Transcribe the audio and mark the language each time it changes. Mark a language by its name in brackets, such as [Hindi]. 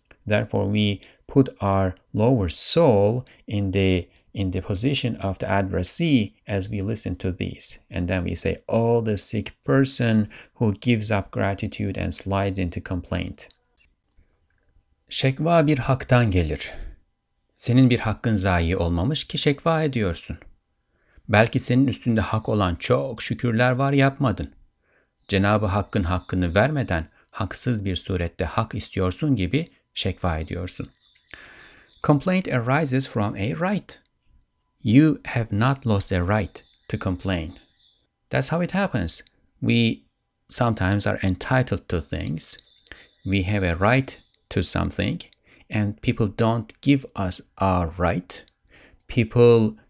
[English] Therefore, we put our lower soul in the position of the addressee as we listen to these. And then we say, oh, the sick person who gives up gratitude and slides into complaint. [Turkish] Şekva bir haktan gelir. Senin bir hakkın zayi olmamış ki şekva ediyorsun. Belki senin üstünde hak olan çok şükürler var yapmadın. Cenab-ı Hakk'ın hakkını vermeden haksız bir surette hak istiyorsun gibi şekva ediyorsun. [English] Complaint arises from a right. You have not lost a right to complain. That's how it happens. We sometimes are entitled to things. We have a right to something, and people don't give us our right. People